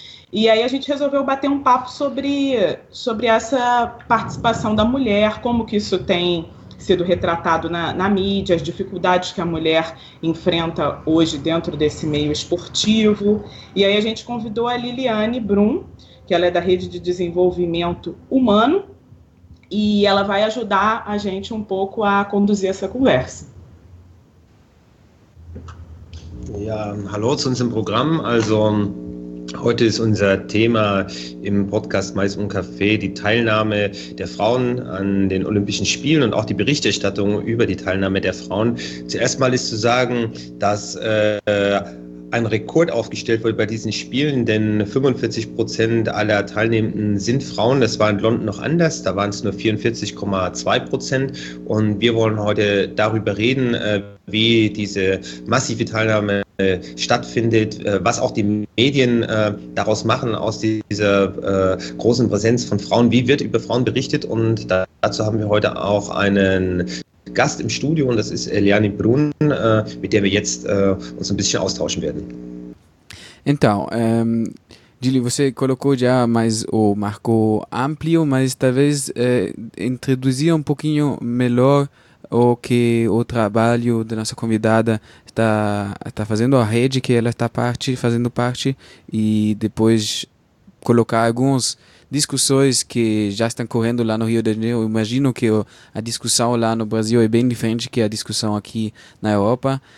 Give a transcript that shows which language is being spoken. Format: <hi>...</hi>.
<pt>E aí a gente resolveu bater um papo sobre essa participação da mulher, como que isso tem sido retratado na mídia, as dificuldades que a mulher enfrenta hoje dentro desse meio esportivo. E aí a gente convidou a Liliane Brum, que ela é da Rede de Desenvolvimento Humano, e ela vai ajudar a gente um pouco a conduzir essa conversa.</pt> <de>Ja, hallo zu unserem Programm, also heute ist unser Thema im Podcast Mais um Café die Teilnahme der Frauen an den Olympischen Spielen und auch die Berichterstattung über die Teilnahme der Frauen. Zuerst mal ist zu sagen, dass ein Rekord aufgestellt wurde bei diesen Spielen, denn 45% aller Teilnehmenden sind Frauen. Das war in London noch anders, da waren es nur 44,2%. Und wir wollen heute darüber reden, wie diese massive Teilnahme stattfindet, was auch die Medien daraus machen, aus dieser großen Präsenz von Frauen. Wie wird über Frauen berichtet? Und dazu haben wir heute auch einen Gast im Studio und das ist Eliane Brun, mit der wir jetzt uns ein bisschen austauschen werden.</de> <pt>Então, Gili, você colocou já mais o marco amplio, mas talvez introduzir um pouquinho melhor o que o trabalho da nossa convidada está fazendo, a rede que ela está fazendo parte, e depois colocar algumas discussões que já estão correndo lá no Rio de Janeiro. Eu imagino que a discussão lá no Brasil é bem diferente que a discussão aqui na Europa.</pt>